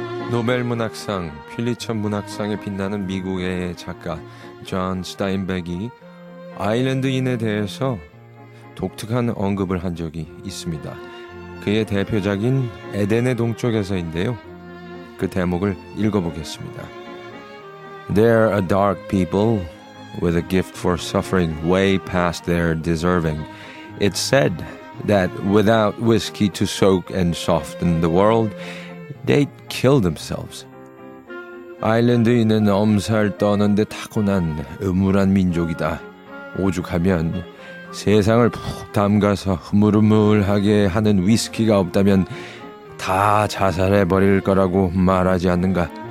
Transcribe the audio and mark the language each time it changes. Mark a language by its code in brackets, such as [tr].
[ko] 노벨 문학상, 퓰리처 문학상에 빛나는 미국의 작가 존 스타인백이 아일랜드인에 대해서 독특한 언급을 한 적이 있습니다. 그의 대표작인 에덴의 동쪽에서인데요. 그 대목을 읽어보겠습니다. [en] There are dark people with a gift for suffering way past their deserving. It's said that without whiskey to soak and soften the world, they'd kill themselves. [ko] 아일랜드인은 엄살 떠는데 타고난 음울한 민족이다. 오죽하면 세상을 푹 담가서 흐물흐물하게 하는 위스키가 없다면 다 자살해버릴 거라고 말하지 않는가.